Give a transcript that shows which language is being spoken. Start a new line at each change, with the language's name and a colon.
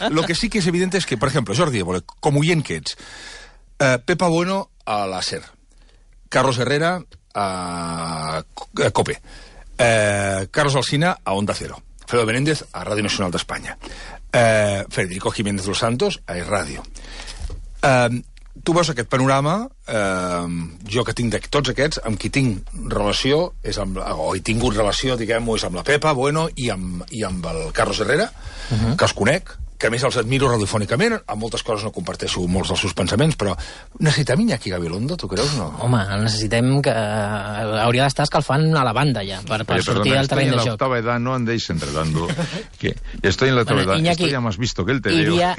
Spanish: Lo que sí que es evidente es que, por ejemplo, Jordi Évole, como bien que es, Pepa Bueno a la SER, Carlos Herrera a COPE, Carlos Alsina a Onda Cero, Fredo Menéndez a Radio Nacional de España, Federico Jiménez Los Santos a Es Radio.
Catalan: Tu veus aquest panorama, jo que tinc de tots aquests, amb qui tinc relació, és amb, o he tingut relació, diguem-ho, és amb la Pepa Bueno i amb el Carlos Herrera, que els conec, que a més els admiro radiofònicament, amb moltes coses no comparteixo molts dels seus pensaments, però necessitem Iñaki Gabilondo, tu creus o no? Home, necessitem que... Hauria d'estar escalfant a la banda ja, per oye, sortir perdona, del terreny de joc.
Spanish: Estoy en la octava edad, no andéis enredando. Estoy en la octava edad, Iñaki, estoy ya más visto que el TDO.